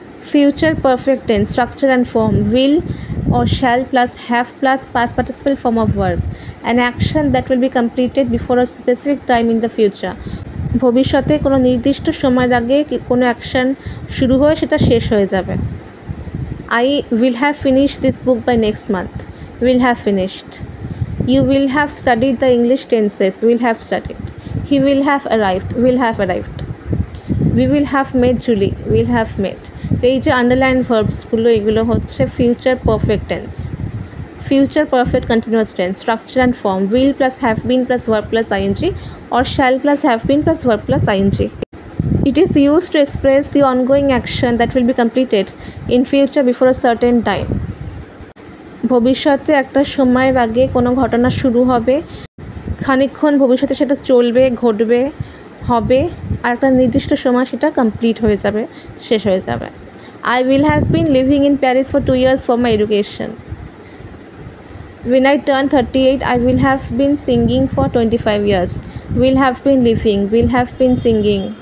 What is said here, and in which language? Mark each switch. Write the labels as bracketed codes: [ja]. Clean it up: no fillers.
[en] future perfect tense, structure and form, will or shall plus have plus past participle form of verb, an action that will be completed before a specific time in the future, [bn] ভবিষ্যতে কোনো নির্দিষ্ট সময়ের আগে কোনো action শুরু হয়ে সেটা শেষ হয়ে যাবে। [en] I will have finished this book by next month, will have finished. You will have studied the English tenses, will have studied. He will have arrived, will have arrived. We will have met Julie, will have met. Page underline verbs [bn] গুলো এগুলো হচ্ছে [en] future perfect tense. Future perfect continuous tense, structure and form, will plus have been plus verb plus ing or shall plus have been plus verb plus ing. It is used to express the ongoing action that will be completed in future before a certain time. [bn] ভবিষ্যতে একটা সময়ের আগে কোনো ঘটনা শুরু হবে, খানিকক্ষণ ভবিষ্যতে সেটা চলবে, ঘটবে, হবে, আর একটা নির্দিষ্ট সময় সেটা কমপ্লিট হয়ে যাবে, শেষ হয়ে যাবে। [en] I will have been living in Paris for 2 years for my education, when I turn 38 I will have been singing for 25 years, will have been living, will have been singing.